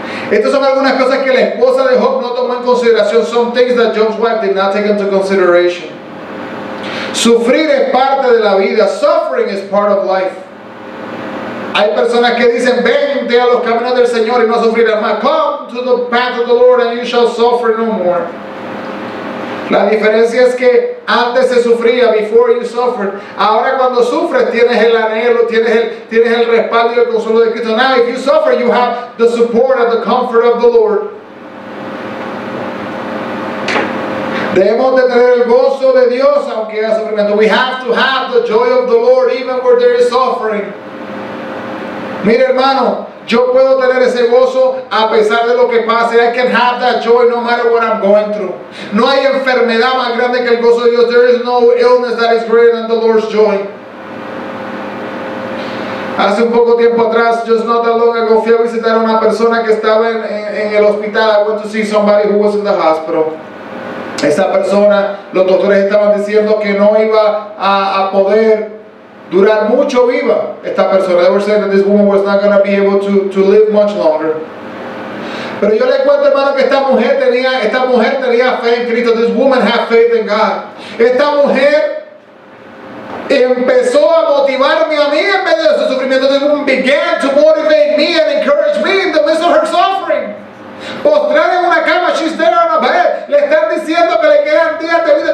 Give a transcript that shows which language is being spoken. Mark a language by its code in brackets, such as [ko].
[es] Estas son algunas cosas que la esposa de Job no tomó en consideración. [en] Some things that Job's wife did not take into consideration. [es] Sufrir es parte de la vida. [en] Suffering is part of life. [es] Hay personas que dicen, vente a los caminos del Señor y no sufrirás más. [en] Come to the path of the Lord and you shall suffer no more. [es] La diferencia es que antes se sufría, [en] before you suffered. [es] Ahora cuando sufres tienes el anhelo, tienes el respaldo y el consuelo de Cristo. [en] Now if you suffer, you have the support and the comfort of the Lord. [es] Debemos de tener el gozo de Dios aunque haya sufrimiento. [en] We have to have the joy of the Lord even where there is suffering. [es] Mira, hermano, yo puedo tener ese gozo a pesar de lo que pase. [en] I can have that joy no matter what I'm going through. [es] No hay enfermedad más grande que el gozo de Dios. [en] There is no illness that is greater than the Lord's joy. [es] Hace un poco tiempo atrás, [en] just not that long ago, [es] fui a visitar a una persona que estaba en el hospital. [en] I went to see somebody who was in the hospital. [es] Esa persona, los doctores estaban diciendo que no iba a poder durar mucho viva esta persona. [en] They were saying that this woman was not going to be able to live much longer. [es] Pero yo le cuento, hermano, que esta mujer tenía fe en Cristo. [en] This woman had faith in God. [es] Esta mujer empezó a motivarme a mí en medio de su sufrimiento. [en] This woman began to motivate me and encourage me in the midst of her suffering. [es] Postrada en una cama, [en] she's there on a bed. [es] Le están diciendo que le quedan días de vida.